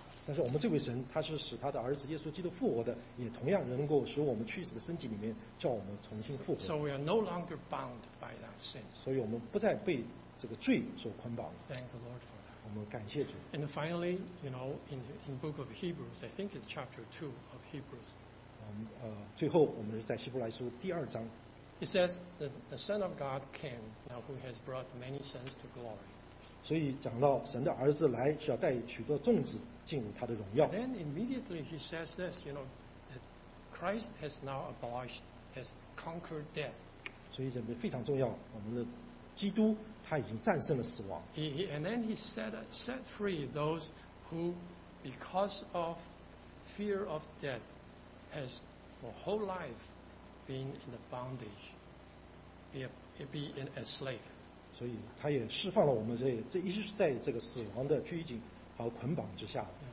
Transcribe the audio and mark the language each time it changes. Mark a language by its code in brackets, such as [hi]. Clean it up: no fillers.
[zh] 但是我们这位神，他是使他的儿子耶稣基督复活的，也同样能够使我们去死的身体里面叫我们重新复活。 [en] So we are no longer bound by that sin. [zh] 所以我们不再被这个罪所捆绑。 [en] Thank the Lord for that. [zh] 我们感谢主。 [en] And finally, you know, in the book of Hebrews, I think it's chapter 2 of Hebrews. [zh] 最后我们是在希伯来书第二章 [en] He says that the Son of God came, now who has brought many sons to glory. [zh] 所以讲到神的儿子来是要带许多众子进入他的荣耀。 [en] Then immediately he says this, you know, that Christ has now abolished, has conquered death. [zh] 所以这边非常重要，我们的基督他已经战胜了死亡。 [en] He set free those who, because of fear of death, has for whole life been in the bondage, be a slave. [zh] 所以他也释放了我们这一直在这个死亡的拘谨和捆绑之下。